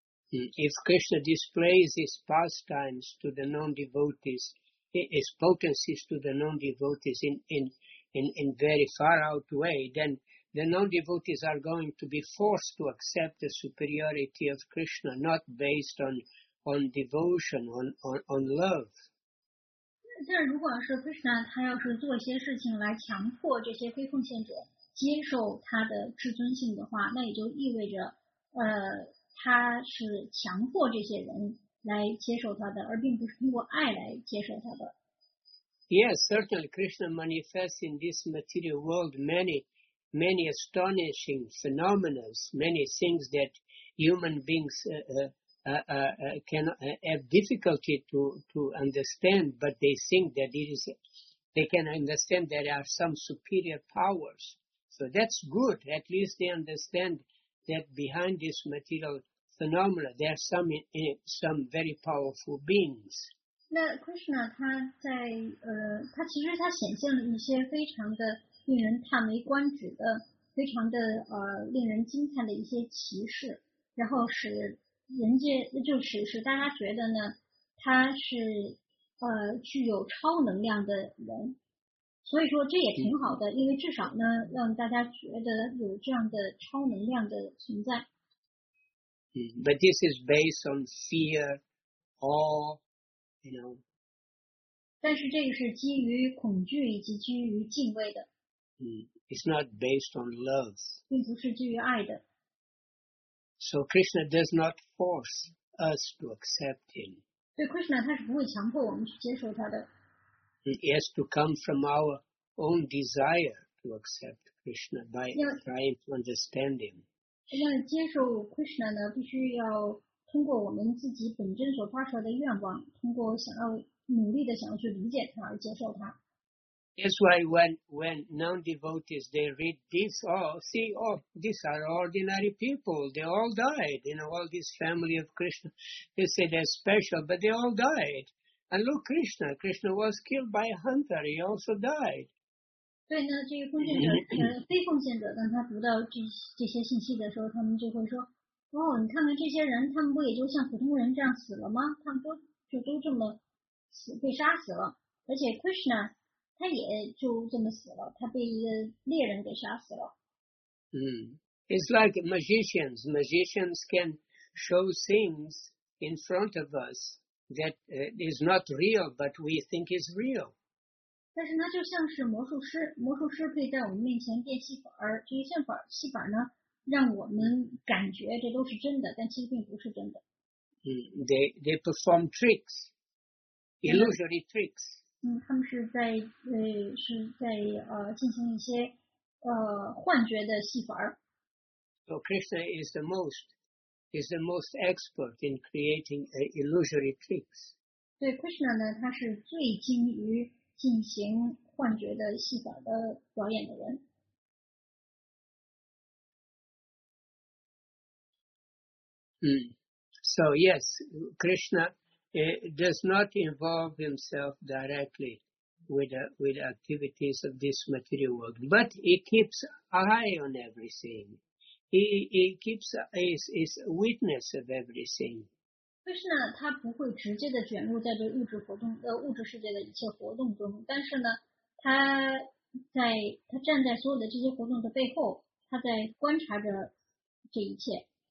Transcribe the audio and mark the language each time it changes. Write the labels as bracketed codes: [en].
[en] If Krishna displays his pastimes to the non-devotees, his potencies to the non-devotees in very far out way, then the non-devotees are going to be forced to accept the superiority of Krishna, not based on devotion, on love. [zh] 但如果是 Krishna, 他要是做一些事情来强迫这些非奉献者接受他的至尊性的话，那也就意味着他是强迫这些人来接受他的，而并不是通过爱来接受他的。 [en] Yes, certainly Krishna manifests in this material world many, many astonishing phenomena, many things that human beings have difficulty to understand, but they think that it is, they can understand that there are some superior powers. So that's good, at least they understandthat behind this material phenomena, there are some very powerful beings. [zh] 那 Krishna 他在他其实他显现了一些非常的令人叹为观止的，非常的令人惊叹的一些奇事，然后使人家就使大家觉得呢，他是具有超能量的人。所以说这也挺好的，因为至少呢，让大家觉得有这样的超能量的存在。 [en] But this is based on fear, awe, you know. [zh] 但是这个是基于恐惧以及基于敬畏的。 [en] It's not based on love. [zh] 并不是基于爱的。 [en] So Krishna does not force us to accept him. [zh] 对 Krishna 他是不会强迫我们去接受他的。 [en] It has to come from our own desire to accept Krishna by trying to understand him. [zh] 那接受 Krishna 呢，必须要通过我们自己本真所发出来的愿望，通过想要努力的想要去理解他而接受他。 [en] That's why when non-devotees they read this, these are ordinary people. They all died, you know, all this family of Krishna. They say they're special, but they all died. And look, Krishna. Krishna was killed by a hunter. He also died. [zh] 对呢，这些奉献者，非奉献者，当他读到这些信息的时候，他们就会说：“哦，你看看这些人，他们不也就像普通人这样死了吗？他们都这么死，被杀死了。而且 Krishna 他也就这么死了，他被一个猎人给杀死了。 [en] It's like magicians. Magicians can show things in front of us. That is not real, but we think is real. [zh] 但是那就像是魔术师，魔术师可以在我们面前变戏法儿，这些变法戏法呢，让我们感觉这都是真的，但其实并不是真的。 [en] They perform tricks, illusory tricks. [zh] 他们是在进行一些幻觉的戏法儿。 [en] So Krishna is the most. Is the most expert in creating illusory tricks. [zh] 对 Krishna 呢，他是最精于进行幻觉的戏法的表演的人。 [en] So yes, Krishna does not involve himself directly with activities of this material world, but he keeps eye on everything. He keeps is witness of everything. [zh] Krishna, 他不会直接的卷入在这物质活动物质世界的一切活动中，但是呢，他站在所有的这些活动的背后，他在观察着这一切。